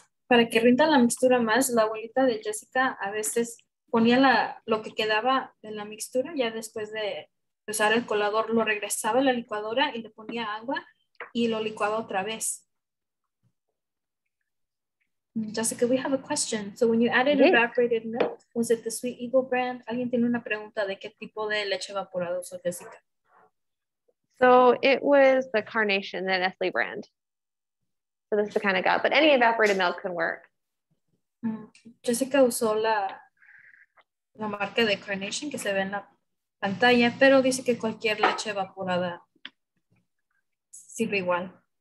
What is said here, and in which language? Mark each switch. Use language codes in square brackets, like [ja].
[es] Para que rinda la mixtura más, la abuelita de Jessica a veces ponía lo que quedaba de la mixtura ya después de usar el colador, lo regresaba a la licuadora y le ponía agua y lo licuaba otra vez. [en] Jessica, we have a question. So when you added evaporated milk, was it the Sweet Eagle brand? [es] Alguien tiene una pregunta de qué tipo de leche evaporada usó Jessica. [en] So it was the Carnation, the Nestle brand. So this is the kind of gap, but any evaporated milk can work. [es] Jessica usó la marca de Carnation que se ve en la pantalla, pero dice que cualquier leche evaporada sirve igual.